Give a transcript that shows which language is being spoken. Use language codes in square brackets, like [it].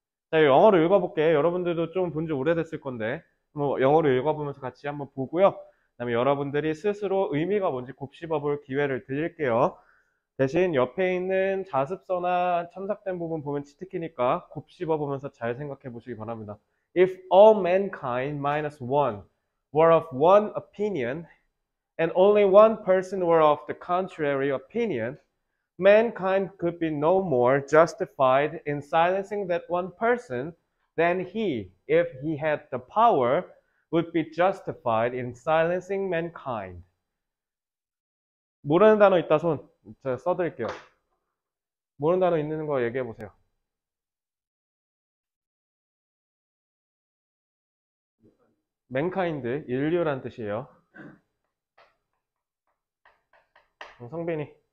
[ko] 자, 영어로 읽어볼게. 여러분들도 좀본지 오래됐을 건데, 뭐 영어로 읽어보면서 같이 한번 보고요. 그다음에 여러분들이 스스로 의미가 뭔지 곱씹어볼 기회를 드릴게요. 대신 옆에 있는 자습서나 첨삭된 부분 보면 치트키니까 곱씹어보면서 잘 생각해 보시기 바랍니다. [en] If all mankind minus one were of one opinion, and only one person were of the contrary opinion, mankind could be no more justified in silencing that one person than he, if he had the power, would be justified in silencing mankind. [ko] 모르는 단어 있다 손. 제가 써드릴게요. 모르는 단어 있는 거 얘기해 보세요. 맨카인드, 인류란 뜻이에요. 성빈이.